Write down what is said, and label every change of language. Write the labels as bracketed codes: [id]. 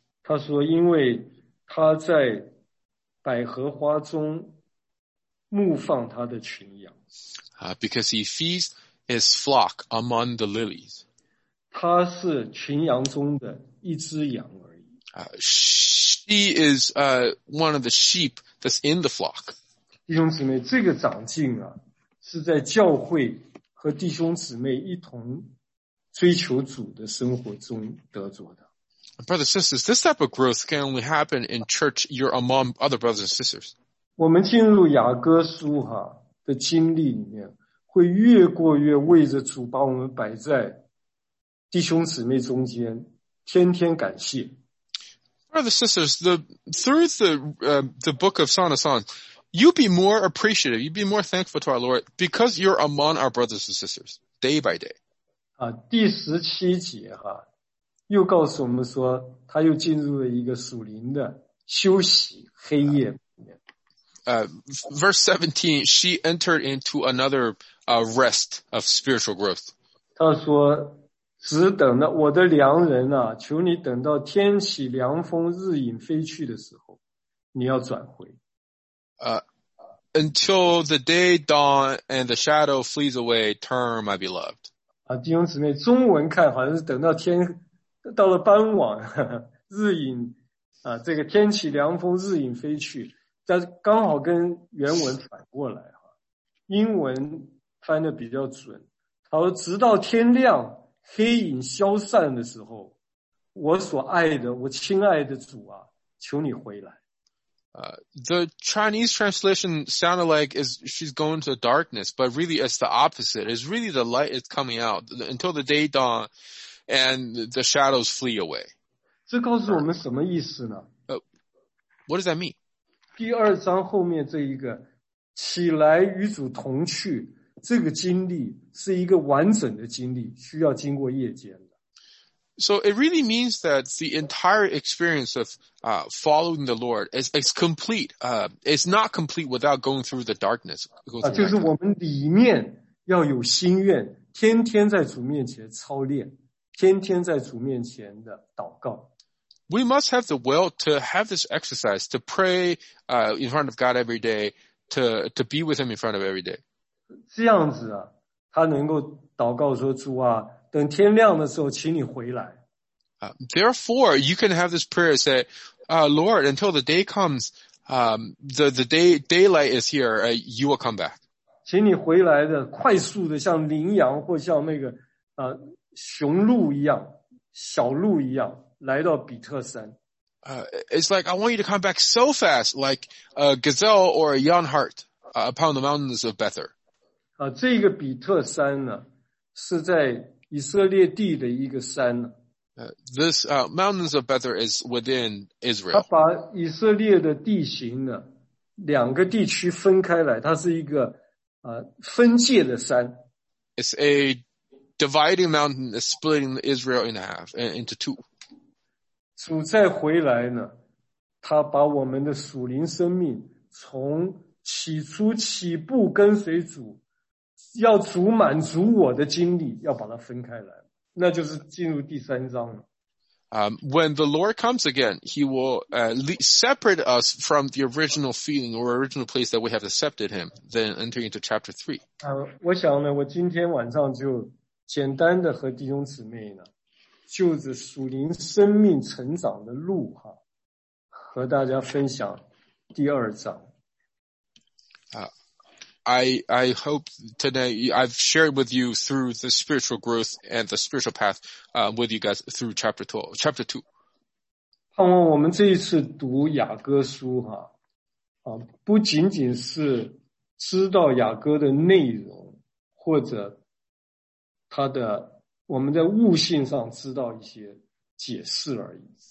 [zh] 他说因为他在百合花中牧放他的群羊。 [en] Because he feeds his flock among the lilies. [zh] 他是群羊中的一只羊而已。 [en] She is one of the sheep that's in the flock. [zh] 弟兄姊妹，这个长进啊，是在教会和弟兄姊妹一同追求主的生活中得着的。 [en] Brothers and sisters, this type of growth can only happen in church. You're among other brothers and sisters. [zh] 我们进入雅歌书哈的经历里面，会越过越为着主把我们摆在弟兄姊妹中间，天天感谢。 [en] Brothers and sisters, through the book of Song of Songs, you'll be more appreciative, you'll be more thankful to our Lord because you're among our brothers and sisters day by day. [zh] 啊，第十七节哈。又告诉我们说，他又进入了一个属灵的休息黑夜里面。 [en] Verse 17, she entered into another rest of spiritual growth. [zh] 他说，只等到我的良人啊，求你等到天起凉风，日影飞去的时候，你要转回。 [en] Until the day dawn and the shadow flees away, turn, my beloved. [zh] 啊，弟兄姊妹，中文看好像是等到天。到了傍晚，日影啊，这个天起凉风，日影飞去，但是刚好跟原文反过来哈，英文翻的比较准。他说，直到天亮，黑影消散的时候，我所爱的，我亲爱的主啊，求你回来。 [en] The Chinese translation sounded like is she's going to darkness, but really it's the opposite. It's really the light is coming out until the day dawn, and the shadows flee away. [zh] 这告诉我们什么意思呢？ [en] What does that mean? [zh] 第二章后面这一个起来与主同去，这个经历是一个完整的经历，需要经过夜间。 [en] So it really means that the entire experience of following the Lord is complete. It's not complete without going through the darkness. [zh] 就是我们里面要有心愿，天天在主面前操练，天天在主面前的祷告。 [en] We must have the will to have this exercise, to pray in front of God every day, to be with Him in front of every day. [zh] 这样子啊，他能够祷告说，主啊，等天亮的时候，请你回来。 [en] Therefore, you can have this prayer say, Lord, until the day comes, daylight is here, you will come back. [zh] 请你回来的快速的像羚羊或像那个雄鹿一样小鹿一样来到比特山。 [en] It's like, I want you to come back so fast, like a gazelle or a young hart, upon the mountains of Bethel. [zh] 这个比特山呢是在以色列地的一个山。 [en] This mountains of Bethel is within Israel. [zh] 他把以色列的地形呢两个地区分开来，它是一个分界的山。 [en] It's a dividing mountain splitting Israel in half, into two. [zh] 主再回来呢，他把我们的属灵生命从起初起步跟随主要主满足我的经历要把它分开来，那就是进入第三章了。 [en] When the Lord comes again, He will separate us from the original feeling or original place that we have accepted Him, then enter into chapter 3. [zh] 我想呢，我今天晚上就简单的和弟兄姊妹呢，就着属灵生命成长的路哈，和大家分享第二章。 [en] I hope today I've shared with you through the spiritual growth and the spiritual path with you guys through chapter 12, chapter 2. [zh] 盼望我们这一次读雅歌书哈，不仅仅是知道雅歌的内容，或者他的我们在悟性上知道一些解释而已。